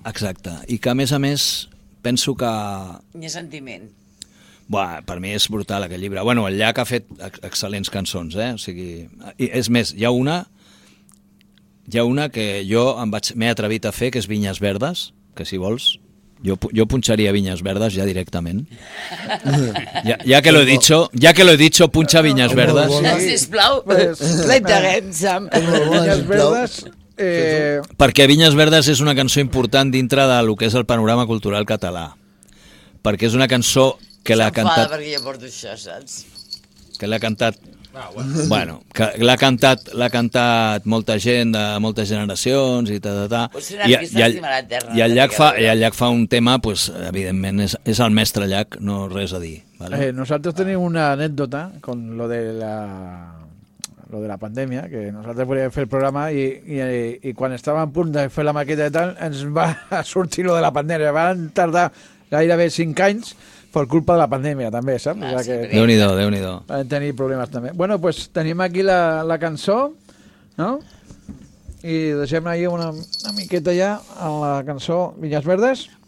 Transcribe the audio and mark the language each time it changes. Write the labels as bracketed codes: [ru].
[ca] Exacte, i que a més penso que... Hi ha sentiment. Buah, per mi és brutal aquest llibre. Bueno, el Llach ha fet excel·lents cançons, eh? O sigui, és més, hi ha una que jo m'he atrevit a fer, que és Vinyes Verdes, que si vols... [es] Yo puncharía Viñas Verdes ya directamente. Ya que lo he dicho, puncha Viñas Verdes. [ca] Sisplau, l'interessam. Viñas Verdes... Perquè Viñas Verdes és una cançó important dintre de lo que és el panorama cultural català. Perquè és una cançó que l'ha cantat... S'enfada perquè jo porto això, saps? Que l'ha cantat... Ah, bueno. Bueno, que l'ha cantat molta gent de moltes generacions i ta. I el Llach fa un tema, pues, evidentment és el mestre Llach, no res a dir. ¿Vale? Nosaltres tenim una anècdota con lo de la pandèmia, que nosaltres volíem fer el programa i quan estàvem a punt de fer la maqueta i tal, ens va sortir lo de la pandèmia. Van tardar gairebé 5 anys per culpa de la pandèmia, també, saps? Ah, sí, que... Déu-n'hi-do. Vam tenir problemes, també. Bueno, pues tenim aquí la cançó, no? I deixem-la ahí una miqueta ja a la cançó Viñas Verdes.